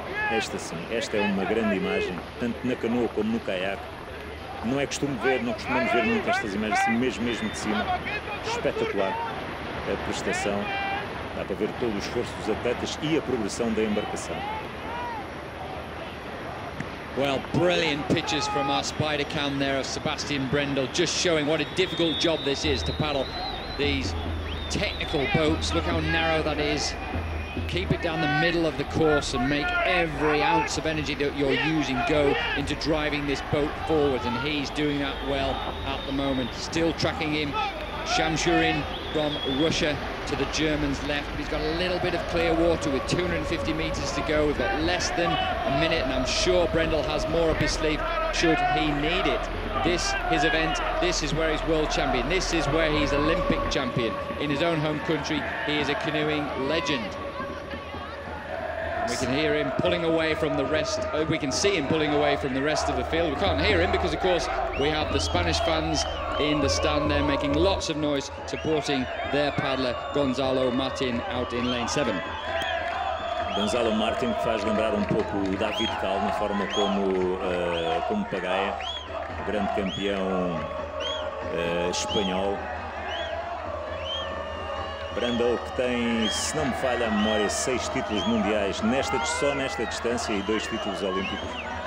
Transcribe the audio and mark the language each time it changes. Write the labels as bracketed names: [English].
[Portuguese] Esta sim, esta é uma grande imagem, tanto na canoa como no caiaque. Não é costume ver, não costumamos ver muito estas imagens assim, mesmo de cima. Espetacular a prestação. Dá para ver todo o esforço dos atletas e a progressão da embarcação. [English] Well, brilliant pictures from our spider cam there of Sebastian Brendel, just showing what a difficult job this is to paddle these technical boats. Look how narrow that is. Keep it down the middle of the course and make every ounce of energy that you're using go into driving this boat forward, and he's doing that well at the moment. Still tracking him, Shamshurin from Russia to the German's left. He's got a little bit of clear water with 250 meters to go. We've got less than a minute, and I'm sure Brendel has more up his sleeve should he need it. This his event, this is where he's world champion, this is where he's Olympic champion. In his own home country, he is a canoeing legend. We can hear him pulling away from the rest. We can see him pulling away from the rest of the field. We can't hear him because, of course, we have the Spanish fans in the stand there making lots of noise, supporting their paddler, Gonzalo Martin, out in lane 7. [Portuguese] Gonzalo Martin, que faz lembrar um pouco o David Cal, na forma como pagaia, o grande campeão espanhol. Brendel, que tem, se não me falha a memória, 6 títulos mundiais nesta distância e 2 títulos olímpicos.